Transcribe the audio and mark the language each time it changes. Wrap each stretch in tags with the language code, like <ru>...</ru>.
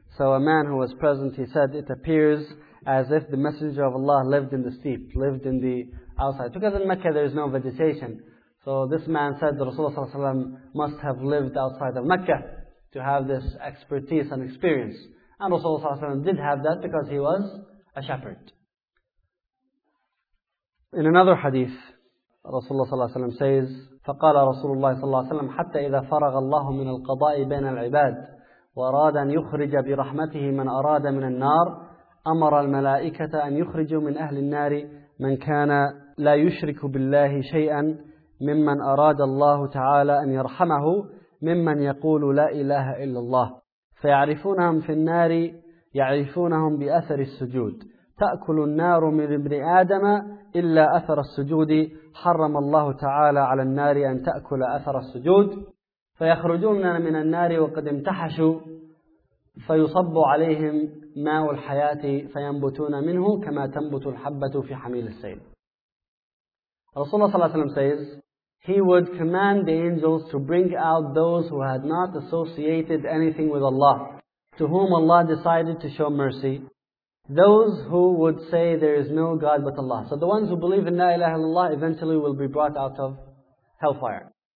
<en>So a man who was present, he said, it appears as if the Messenger of Allah lived in the steep, lived in the outside. Because in Mecca there is no vegetation. So this man said, Rasulullah sallallahu alayhi wa sallam must have lived outside of Mecca to have this expertise and experience. And Rasulullah sallallahu alayhi wa sallam did have that because he was a shepherd. In another hadith, Rasulullah sallallahu alayhi wa sallam says,</en> <ar>فقال رسول الله صلى الله عليه وسلم حتى إذا فرغ الله من القضاء بين العباد وأراد أن يخرج برحمته من أراد من النار أمر الملائكة أن يخرجوا من أهل النار من كان لا يشرك بالله شيئا ممن أراد الله تعالى أن يرحمه ممن يقول لا إله إلا الله فيعرفونهم في النار يعرفونهم بأثر السجود تأكل النار من ابن آدم إلا أثر السجود حرم الله تعالى على النار أن تأكل أثر السجود فيخرجون من النار وقد امتحشوا فيصب عليهم ماء الحياة فينبتون منه كما تنبت الحبة في حميل السيل.</ar> <en>رسول الله صلى الله عليه وسلم says, he would command the angels to bring out those who had not associated anything with Allah, to whom Allah decided to show mercy, those who would say there is no God but Allah. So the ones who believe in La ilaha illallah eventually will be brought out of hellfire.</en>